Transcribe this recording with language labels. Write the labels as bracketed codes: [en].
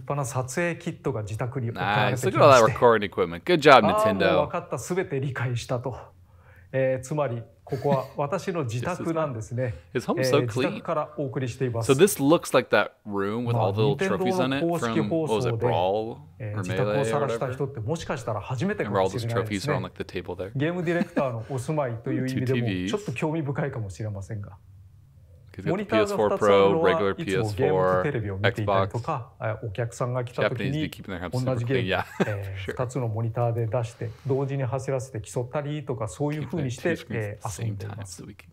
[ja] 立派な撮影キットが自宅に置かれてきまして、 [en] Nice, look at all that recording equipment. Good job, Nintendo. [ja] もう分かった、すべて理解したと、つまりここは私の自宅なんですね。 [en] His home is so clean. [ja] 自宅からお送りしています。 [en] So this looks like that room with all the little trophies on it from, what was it, Brawl? Or Melee? [ja] 自宅を探した人ってもしかしたら初めてかもしれないですね。 [en] on, like, the table there. [ja] ゲームディレクターのお住まいという意味でもちょっと興味深いかもしれませんが、モニターが2つあるのはいつもゲームとテレビを見ていたりとか、お客さんが来た時に同じゲーム2つのモニターで出して同時に走らせて競ったりとか、そういう風にして遊んでいます。